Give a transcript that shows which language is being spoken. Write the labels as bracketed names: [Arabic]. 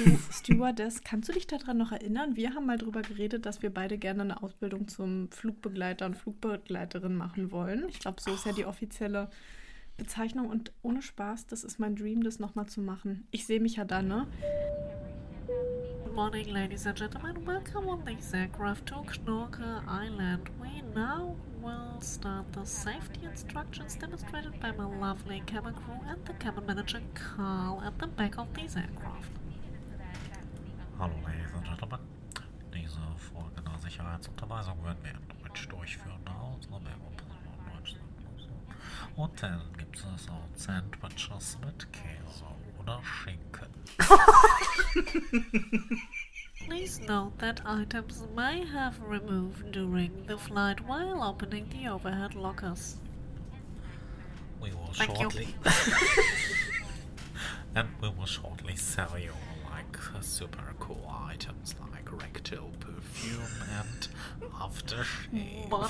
[German] Stewardess, kannst du dich daran noch erinnern? Wir haben mal drüber geredet, dass wir beide gerne eine Ausbildung zum Flugbegleiter und Flugbegleiterin machen wollen. Ich glaube, so ist ja die offizielle Bezeichnung. Und ohne Spaß, das ist mein Dream, das nochmal zu machen. Ich sehe mich ja da, ne? [English] Good morning, ladies and gentlemen. Welcome on this aircraft to Knorke Island. We now will start the safety instructions demonstrated by my lovely cabin crew and the cabin manager Carl at the back of this aircraft. Hallo, ladies and gentlemen. [German] Diese folgende Sicherheitsunterweisung werden wir in Deutsch durchführen. Also, wir müssen in Deutsch sein. Und dann gibt es auch Sandwiches mit Käse oder Schinken. [English] Please note that items may have removed during the flight while opening the overhead lockers. We will shortly and we will shortly sell you like super cool items like rectal perfume and aftershave.